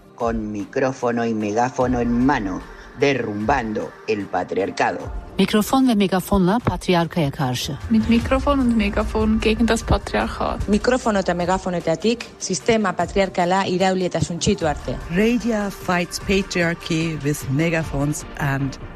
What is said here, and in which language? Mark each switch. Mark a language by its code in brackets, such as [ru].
[es] Con micrófono y megáfono en mano, derrumbando el patriarcado. [tr] Mikrofon ve megafonla patriarkaya karşı. [de] Mit Mikrofon und Megafon gegen das Patriarchat. [eu] Mikrofon eta megafonetatik sistema patriarkala irauli eta suntxitu arte. [en] Radia fights patriarchy with megaphones and